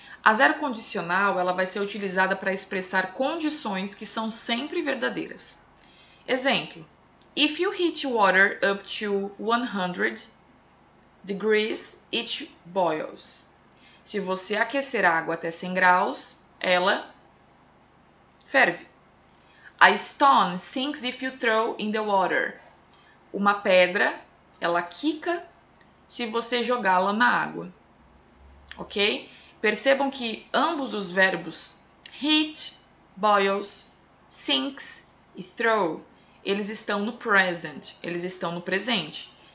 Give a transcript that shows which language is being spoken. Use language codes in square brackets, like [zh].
[pt] A zero condicional, ela vai ser utilizada para expressar condições que são sempre verdadeiras. [en] Exemplo: If you heat water up to 100 degrees, it boils. [pt] Se você aquecer a água até 100 graus, ela ferve. [en] A stone sinks if you throw in the water. [pt] Uma pedra, ela quica se você jogá-la na água. Ok? Percebam que ambos os verbos, heat, boils, sinks e throw, eles estão no present, eles estão no presente.